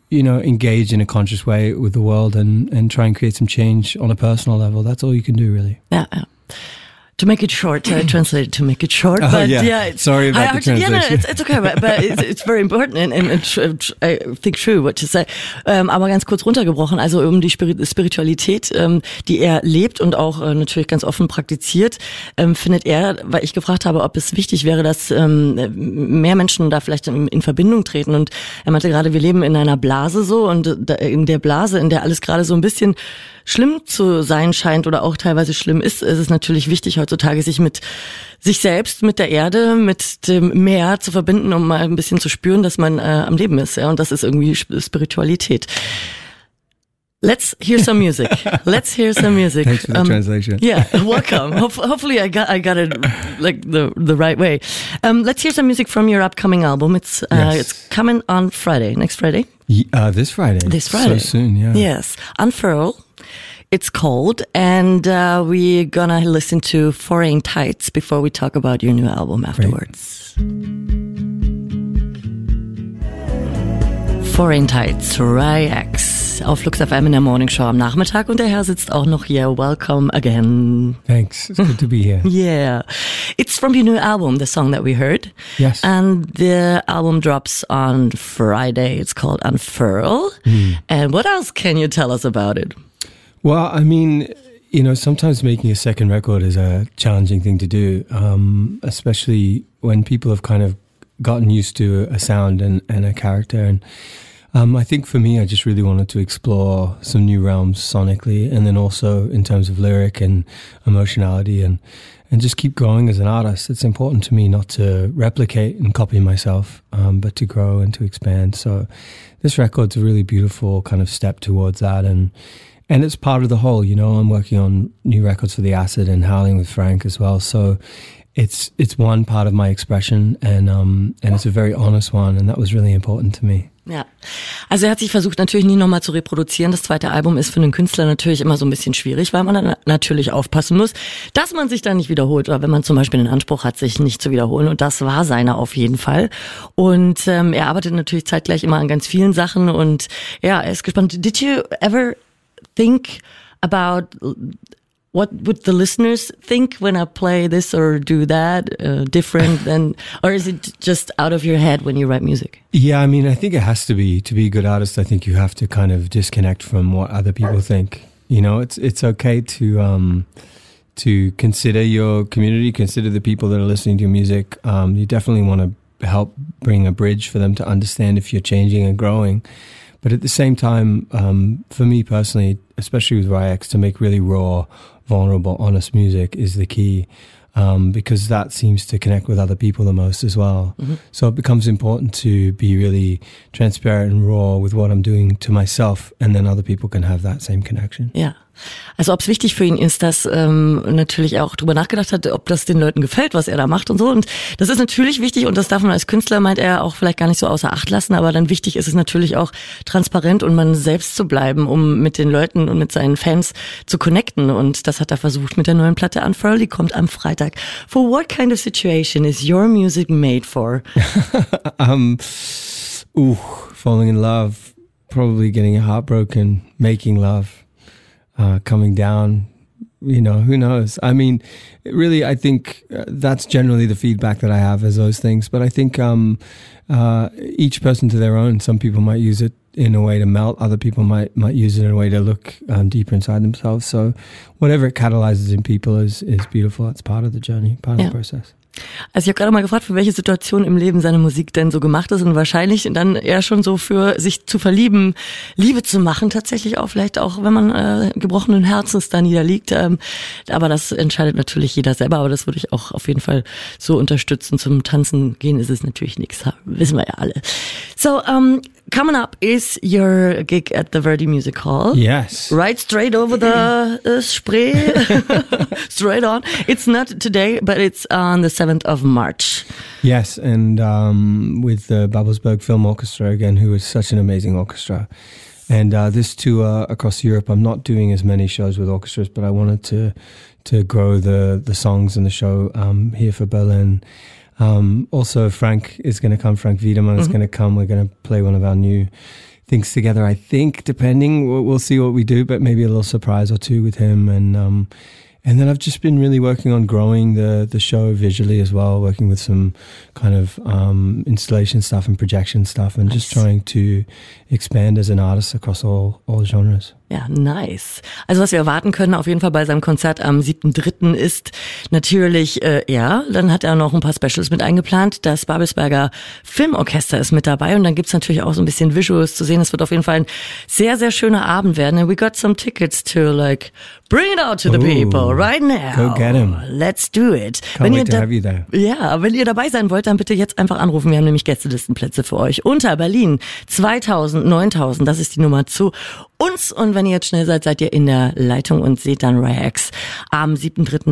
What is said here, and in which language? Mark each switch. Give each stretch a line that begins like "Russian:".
English: you know, engage in a conscious way with the world and try and create some change on a personal level. That's all you can do, really. Yeah. To make it short, I translated to make it short. But yeah. Sorry about the translation. Yeah, no, it's okay, but it's very important and I think true, what you say.
German: Aber ganz kurz runtergebrochen, also um die Spiritualität, die er lebt und auch natürlich ganz offen praktiziert, findet er, weil ich gefragt habe, ob es wichtig wäre, dass mehr Menschen da vielleicht in Verbindung treten. Und er meinte gerade, wir leben in einer Blase so und in der Blase, in der alles gerade so ein bisschen schlimm zu sein scheint oder auch teilweise schlimm ist, ist es natürlich wichtig heutzutage, sich mit sich selbst, mit der Erde, mit dem Meer zu verbinden, um mal ein bisschen zu spüren, dass man am Leben ist. Ja? Und das ist irgendwie Spiritualität.
English: Let's hear some music. Let's hear some music. Thanks for the translation. Yeah, welcome. Hopefully I got it like the right way. Let's hear some music from your upcoming album. It's it's coming on Friday, next Friday. This Friday. This Friday. So soon, yeah. Yes. Unfurl. It's cold, and we're gonna listen to Foreign Tides before we talk about your new album afterwards. Great.
German: Foreign Tides, Rye X, auf Lux FM in der Morning Show am Nachmittag, und der Herr sitzt auch noch hier.
English: Welcome again. Thanks, it's good to be here. Yeah. It's from your new album, the song that we heard. Yes. And the album drops on Friday. It's called Unfurl. Mm. And what else can you tell us about it? Well, I mean, you know, sometimes making a second record is a challenging thing to do, especially when people have kind of gotten used to a sound and a character. And I think for me, I just really wanted to explore some new realms sonically, and then also in terms of lyric and emotionality, and just keep growing as an artist. It's important to me not to replicate and copy myself, but to grow and to expand. So this record's a really beautiful kind of step towards that. And it's part of the whole, you know. I'm working on new records for The Acid and Howling with Frank as well. So it's one part of my expression, and it's a very honest one, and that was really important to me.
German: Ja, also er hat sich versucht, natürlich nie nochmal zu reproduzieren. Das zweite Album ist für einen Künstler natürlich immer so ein bisschen schwierig, weil man dann natürlich aufpassen muss, dass man sich da nicht wiederholt oder wenn man zum Beispiel den Anspruch hat, sich nicht zu wiederholen, und das war seiner auf jeden Fall. Und er arbeitet natürlich zeitgleich immer an ganz vielen Sachen, und ja, er ist gespannt.
English: Did you ever think about what would the listeners think when I play this or do that different than, or is it just out of your head when you write music? Yeah, I mean, I think it has to be a good artist. I think you have to kind of disconnect from what other people think. You know, it's okay to consider your community, consider the people that are listening to your music. You definitely want to help bring a bridge for them to understand if you're changing and growing. But at the same time, for me personally, especially with Rye X, to make really raw, vulnerable, honest music is the key, because that seems to connect with other people the most as well. Mm-hmm. So it becomes important to be really transparent and raw with what I'm doing to myself, and then other people can have that same connection. Yeah.
German: Also ob es wichtig für ihn ist, dass natürlich auch drüber nachgedacht hat, ob das den Leuten gefällt, was er da macht und so. Und das ist natürlich wichtig, und das darf man als Künstler, meint er, auch vielleicht gar nicht so außer Acht lassen. Aber dann wichtig ist es natürlich auch, transparent und man selbst zu bleiben, um mit den Leuten und mit seinen Fans zu connecten. Und das hat er versucht mit der neuen Platte. Unfurl, die kommt am Freitag.
English: For what kind of situation is your music made for? Falling in love, probably getting heartbroken, making love. Coming down, you know, who knows? I mean, really, I think that's generally the feedback that I have, is those things. But I think each person to their own. Some people might use it in a way to melt. Other people might use it in a way to look deeper inside themselves. So whatever it catalyzes in people is beautiful. That's part of the journey, part of the process.
German: Also ich habe gerade mal gefragt, für welche Situation im Leben seine Musik denn so gemacht ist, und wahrscheinlich dann eher schon so für sich zu verlieben, Liebe zu machen tatsächlich auch, vielleicht auch, wenn man gebrochenen Herzens da niederliegt, aber das entscheidet natürlich jeder selber, aber das würde ich auch auf jeden Fall so unterstützen. Zum Tanzen gehen ist es natürlich nichts, wissen wir ja alle.
English: So, coming up is your gig at the Verdi Music Hall. Yes. Right straight over the Spree. Straight on. It's not today, but it's on the 7th of March. Yes, and with the Babelsberg Film Orchestra again, who is such an amazing orchestra. And this tour across Europe, I'm not doing as many shows with orchestras, but I wanted to grow the songs and the show here for Berlin. Also, Frank is going to come. Frank Wiedemann is going to come. We're going to play one of our new things together, I think, depending. We'll see what we do, but maybe a little surprise or two with him. And then I've just been really working on growing the show visually as well, working with some kind of installation stuff and projection stuff, and nice. Just trying to expand as an artist across all genres. Yeah, nice.
German: Also was wir erwarten können auf jeden Fall bei seinem Konzert am 7.3. ist natürlich, dann hat er noch ein paar Specials mit eingeplant. Das Babelsberger Filmorchester ist mit dabei und dann gibt's natürlich auch so ein bisschen Visuals zu sehen. Es wird auf jeden Fall ein sehr, sehr schöner Abend werden.
English: And we got some tickets to like bring it out to the people right now. Go get them. Let's do it. Can't wait to have you there.
German: Yeah, wenn ihr dabei sein wollt, dann bitte jetzt einfach anrufen. Wir haben nämlich Gästelistenplätze für euch unter Berlin 2000, 9000. Das ist die Nummer zu uns. Und wenn ihr jetzt schnell seid, seid ihr in der Leitung und seht dann Rex am 7.3.